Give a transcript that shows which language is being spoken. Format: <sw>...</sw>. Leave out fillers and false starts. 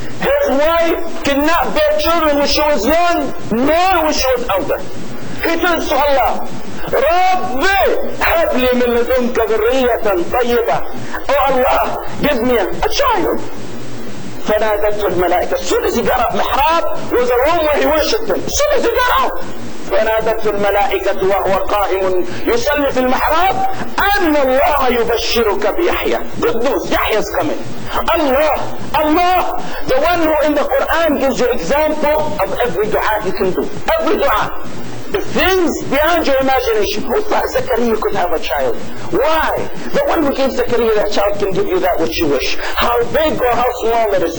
<en>His wife cannot bear children when she was young, nor when she was older. He turns to Allah,</en> <ar>Rabbi Habli min ladunka dhurriyatan tayyiba.</ar> <en>Oh Allah, give me a child.</en> <ar>فنادته الملائكة.</ar> <en>As soon as he got up, محراب was a room where he worshipped him. As soon as he got up,</en> <ar>فنادته الملائكة وهو قائم يصلي في المحراب أن الله يبشرك بيحيى.</ar> <en>Good news, يحيى is coming. Allah, the one who in the Quran gives you example of every dua he can do. Every dua. The things beyond your imagination. Who thought Zakaria could have a child? Why? The one who gave Zakaria that child can give you that which you wish. How big or how small it is.</en>